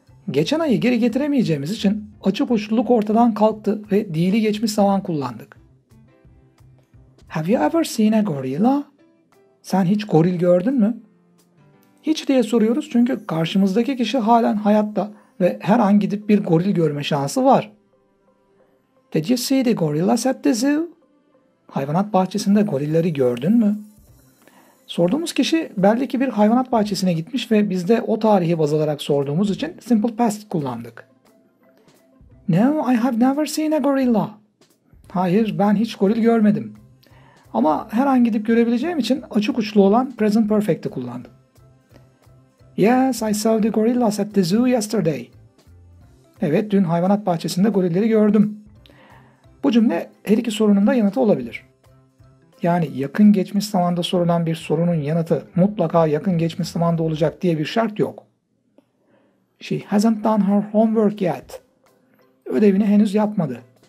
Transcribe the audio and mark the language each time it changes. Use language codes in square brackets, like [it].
[tr] Geçen ayı geri getiremeyeceğimiz için açık uçluluk ortadan kalktı ve değil'i geçmiş zaman kullandık. [en] Have you ever seen a gorilla? [tr] Sen hiç goril gördün mü? Hiç diye soruyoruz çünkü karşımızdaki kişi halen hayatta ve her an gidip bir goril görme şansı var. [en] Did you see the gorillas at the zoo? [tr] Hayvanat bahçesinde gorilleri gördün mü? Sorduğumuz kişi belli ki bir hayvanat bahçesine gitmiş ve biz de o tarihi baz alarak sorduğumuz için simple past kullandık. [en] No, I have never seen a gorilla. [tr] Hayır, ben hiç goril görmedim. Ama her an gidip görebileceğim için açık uçlu olan present perfect'i kullandım. [en] Yes, I saw the gorillas at the zoo yesterday. [tr] Evet, dün hayvanat bahçesinde gorilleri gördüm. Bu cümle her iki sorunun da yanıtı olabilir. Yani yakın geçmiş zamanda sorulan bir sorunun yanıtı mutlaka yakın geçmiş zamanda olacak diye bir şart yok. [en] She hasn't done her homework yet. [tr] Ödevini henüz yapmadı.